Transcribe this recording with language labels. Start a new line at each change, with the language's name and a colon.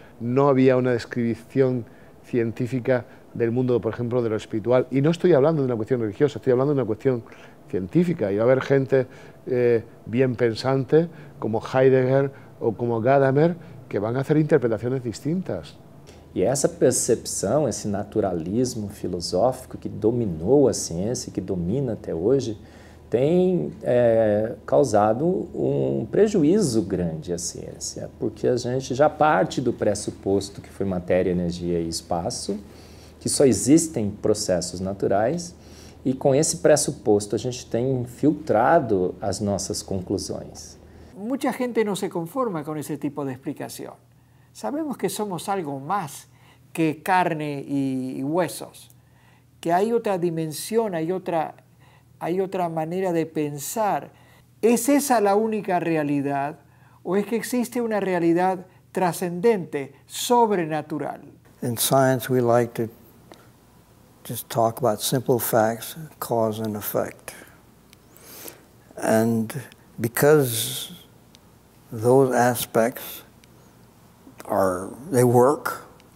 Spanish: No había una descripción científica del mundo, por ejemplo, de lo espiritual. Y no estoy hablando de una cuestión religiosa, estoy hablando de una cuestión científica. Y va a haber gente bien pensante, como Heidegger o como Gadamer, que van a hacer interpretaciones distintas.
Portuguese: E essa percepção, esse naturalismo filosófico que dominou a ciência, que domina até hoje, tem causado um prejuízo grande à ciência, porque a gente já parte do pressuposto que foi matéria, energia e espaço, que só existem processos naturais, e com esse pressuposto a gente tem filtrado as nossas conclusões. Muita gente não se conforma com esse tipo de explicação.
Spanish: Sabemos que somos algo más que carne y huesos, que hay otra dimensión, hay otra manera de pensar. ¿Es esa la única realidad o es que existe una realidad trascendente, sobrenatural?
English: In science we like to just talk about simple facts, cause and effect. And because those aspects they work.